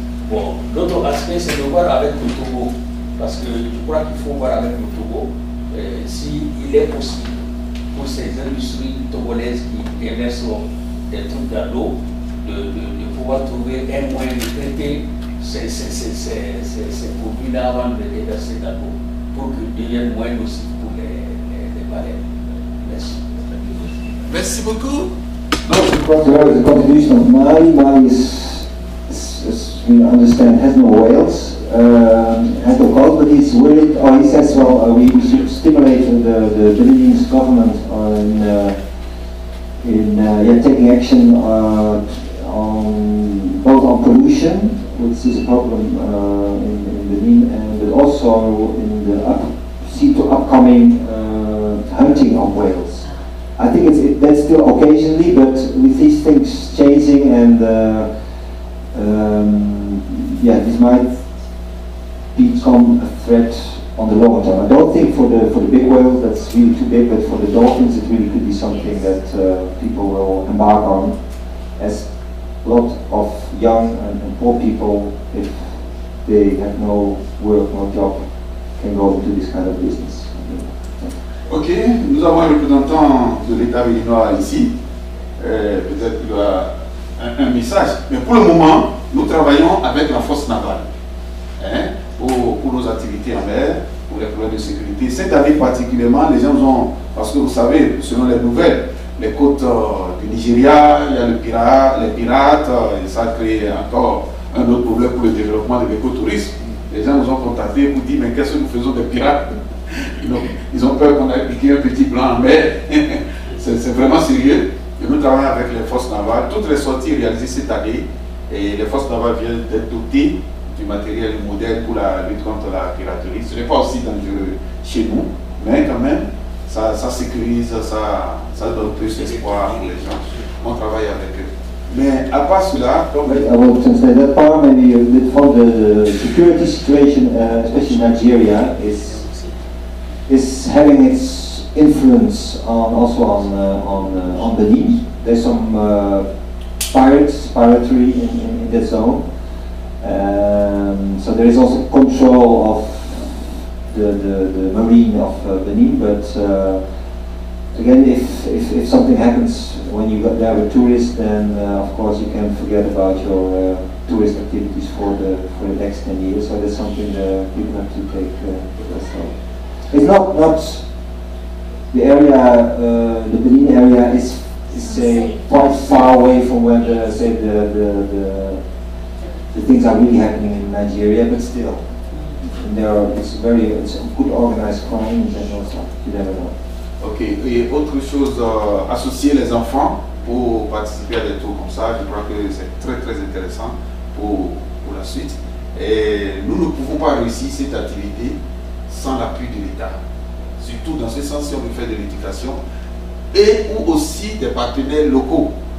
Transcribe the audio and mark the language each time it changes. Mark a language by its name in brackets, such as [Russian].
[French] Bon, l'autre aspect c'est de voir avec le Togo, parce que je crois qu'il faut voir avec le Togo s'il est possible pour ces industries togolaises qui émettent des trucs dans l'eau, de pouvoir trouver un moyen de traiter ces produits-là avant de les déverser dans l'eau, pour qu'ils deviennent moins nocifs pour les baleines. Merci. Merci beaucoup. Donc, je crois que c'est la contribution de Mali. [English] Mali, as we understand, has no whales, has no cause, but he's worried, or he says, well, we should stimulate the Belizean government on taking action on both on pollution, which is a problem in Belize, and also in the upcoming hunting of whales. I think that's still occasionally, but with these things changing and this might become a threat on the long term. I don't think for the big whales that's really too big, but for the dolphins it really could be something that people will embark on, as a lot of young and poor people, if they have no work, no job, can go into this kind of business. [French] Ok, nous avons un représentant de l'État béninois ici. Peut-être qu'il a un message. Mais pour le moment, nous travaillons avec la force navale pour nos activités en mer, pour les problèmes de sécurité. Cette année particulièrement, les gens ont, parce que vous savez, selon les nouvelles, les côtes du Nigeria, il y a les pirates, et ça a créé encore un autre problème pour le développement de l'écotourisme. Les gens nous ont contactés pour dire, mais qu'est-ce que nous faisons des pirates? Ils ont peur qu'on ait piqué un petit blanc en mer. C'est vraiment sérieux. Et nous travaillons avec les forces navales. Toutes les sorties réalisées cette année, et les forces navales viennent d'être dotées du matériel moderne pour la lutte contre la piraterie. Ce n'est pas aussi dangereux chez nous, mais quand même, ça sécurise, ça donne plus d'espoir pour les gens. On travaille avec eux. Mais à part cela, comme... [English] I will translate that part, maybe a bit for the security situation, especially Nigeria, is having its influence on the Benin. There's some piratery in that zone. So there is also control of the marine of Benin, but again, if something happens when you go there with tourists, then of course you can forget about your tourist activities for the next 10 years. So that's something people have to take with us. It's not the area, the Benin area is say quite far away from where the things are really happening in Nigeria, but still, and there are, it's a good organized crime in general, so you never know. [French] Okay, et autre chose, associer les enfants pour participer à des tours comme ça, je crois que c'est très très intéressant pour la suite. Et nous ne pouvons pas réussir cette activité sans l'appui de l'État. surtout dans ce sens si on veut faire de l'éducation, et ou aussi des partenaires locaux.